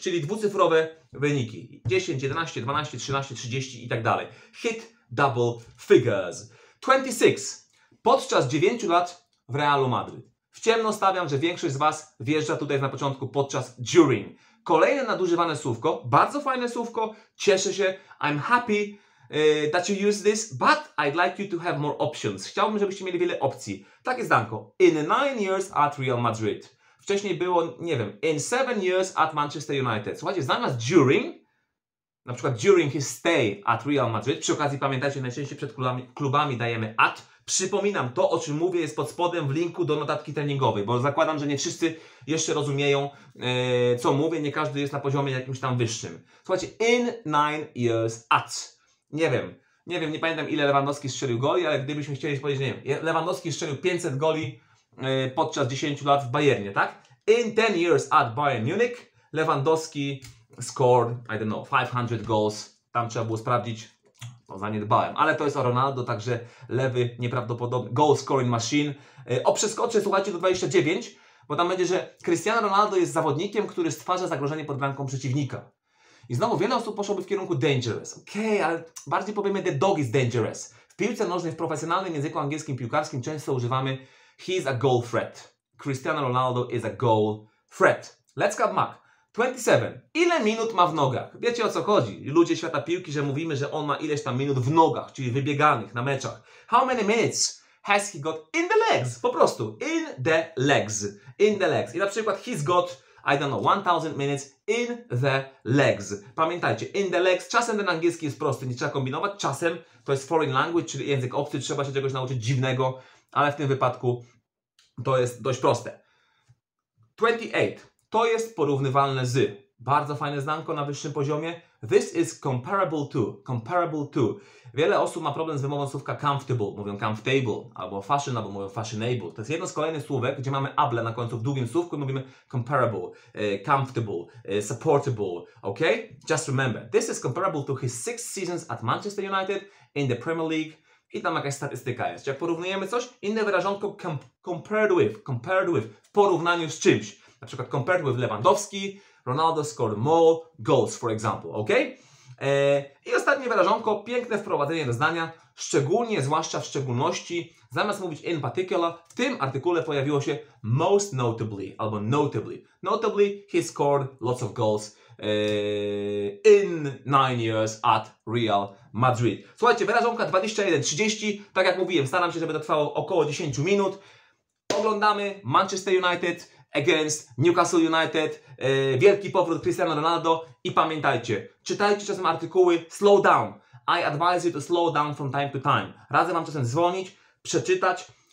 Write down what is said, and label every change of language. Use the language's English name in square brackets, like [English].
[Polish] Czyli dwucyfrowe wyniki. 10, 11, 12, 13, 30 i tak dalej. [English] Hit double figures. [Polish] 26. Podczas 9 lat w Realu Madryt. W ciemno stawiam, że większość z Was wjeżdża tutaj na początku podczas during. Kolejne nadużywane słówko. Bardzo fajne słówko. Cieszę się. [English] I'm happy that you use this, but I'd like you to have more options. [Polish] Chciałbym, żebyście mieli wiele opcji. Takie zdanko. [English] In 9 years at Real Madrid. [Polish] Wcześniej było, nie wiem, [English] in 7 years at Manchester United. [Polish] Słuchajcie, zamiast during, na przykład [English] during his stay at Real Madrid. [Polish] Przy okazji pamiętajcie, najczęściej przed klubami dajemy at. Przypominam, to o czym mówię jest pod spodem w linku do notatki treningowej, bo zakładam, że nie wszyscy jeszcze rozumieją, co mówię. Nie każdy jest na poziomie jakimś tam wyższym. Słuchajcie, [English] in 9 years at. [Polish] Nie wiem, nie pamiętam ile Lewandowski strzelił goli, ale gdybyśmy chcieli powiedzieć, nie wiem, Lewandowski strzelił 500 goli podczas 10 lat w Bayernie, tak? [English] In 10 years at Bayern Munich, Lewandowski scored, I don't know, 500 goals. [Polish] Tam trzeba było sprawdzić, to zaniedbałem. Ale to jest o Ronaldo, także lewy nieprawdopodobny [English] goal scoring machine. [Polish] O, przeskoczę, słuchajcie, do 29, bo tam będzie, że Cristiano Ronaldo jest zawodnikiem, który stwarza zagrożenie pod bramką przeciwnika. I znowu wiele osób poszłoby w kierunku dangerous. Okej, ale bardziej powiemy [English] the dog is dangerous. [Polish] W piłce nożnej, w profesjonalnym języku angielskim piłkarskim często używamy [English] he's a goal threat. Cristiano Ronaldo is a goal threat. Let's cut Mac. [Polish] 27. Ile minut ma w nogach? Wiecie o co chodzi. Ludzie świata piłki, że mówimy, że on ma ileś tam minut w nogach, czyli wybieganych na meczach. [English] How many minutes has he got in the legs? [Polish] Po prostu. [English] In the legs. In the legs. I na przykład he's got, I don't know, 1000 minutes in the legs. [Polish] Pamiętajcie, [English] in the legs. [Polish] Czasem ten angielski jest prosty, nie trzeba kombinować. Czasem to jest [English] foreign language, [Polish] czyli język obcy, trzeba się czegoś nauczyć dziwnego, ale w tym wypadku to jest dość proste. 28. To jest porównywalne z. Bardzo fajne zdanko na wyższym poziomie. [English] This is comparable to. Comparable to. [Polish] Wiele osób ma problem z wymową słówka comfortable. Mówią comfortable, albo fashion, albo mówią fashionable. To jest jedno z kolejnych słówek, gdzie mamy able na końcu w długim słówku i mówimy comparable, comfortable, supportable. [English] Ok? Just remember. This is comparable to his 6 seasons at Manchester United in the Premier League. [Polish] I tam jakaś statystyka jest. Jak porównujemy coś, inne wyrażonko [English] compared with. Compared with. [Polish] W porównaniu z czymś. Na przykład [English] compared with Lewandowski, Ronaldo scored more goals, for example, ok? [Polish] I ostatnie wyrażonko, piękne wprowadzenie do zdania, szczególnie, zwłaszcza w szczególności, zamiast mówić [English] in particular, [Polish] w tym artykule pojawiło się [English] most notably, [Polish] albo notably. [English] Notably, he scored lots of goals in 9 years at Real Madrid. [Polish] Słuchajcie, wyrażonka 21-30, tak jak mówiłem, staram się, żeby to trwało około 10 minut. Oglądamy Manchester United against Newcastle United, wielki powrót Cristiano Ronaldo i pamiętajcie, czytajcie czasem artykuły, [English] slow down. I advise you to slow down from time to time. [Polish] Razem mam czasem dzwonić, przeczytać,